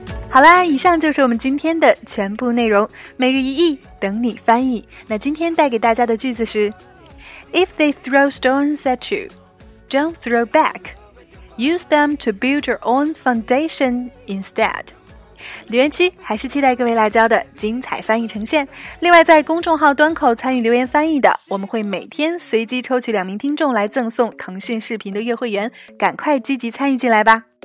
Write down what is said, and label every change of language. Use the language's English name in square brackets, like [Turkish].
[Chinese] 好啦，以上就是我们今天的全部内容，每日一译等你翻译。那今天带给大家的句子是 [English] If they throw stones at you, don't throw back. Use them to build your own foundation instead. [Chinese] 留言区还是期待各位辣椒的精彩翻译呈现。另外在公众号端口参与留言翻译的，我们会每天随机抽取两名听众来赠送腾讯视频的月会员，赶快积极参与进来吧。